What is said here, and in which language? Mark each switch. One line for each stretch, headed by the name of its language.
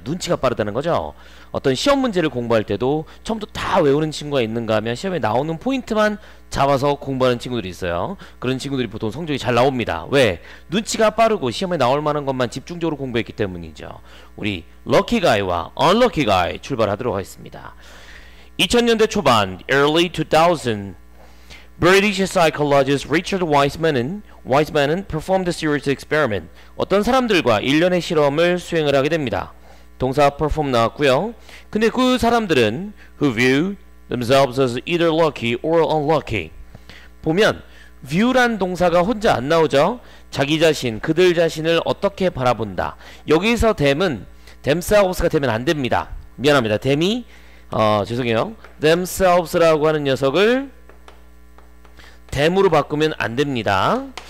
Korean: 눈치가 빠르다는 거죠. 어떤 시험 문제를 공부할 때도 처음부터 다 외우는 친구가 있는가 하면 시험에 나오는 포인트만 잡아서 공부하는 친구들이 있어요. 그런 친구들이 보통 성적이 잘 나옵니다. 왜? 눈치가 빠르고 시험에 나올 만한 것만 집중적으로 공부했기 때문이죠. 우리 럭키 가이와 언럭키 가이 출발하도록 하겠습니다. 2000년대 초반
English: early 2000 British psychologist Richard Wiseman은 performed a series of experiment.
Korean: 어떤 사람들과 일련의 실험을 수행을 하게 됩니다. 동사 perform 나왔고요. 근데 그 사람들은
English: who view themselves as either lucky or unlucky.
Korean: 보면 view란 동사가 혼자 안 나오죠. 자기 자신, 그들 자신을 어떻게 바라본다. 여기서 them은 themselves가 되면 안 됩니다. 미안합니다. them이 죄송해요. themselves라고 하는 녀석을 them으로 바꾸면 안 됩니다.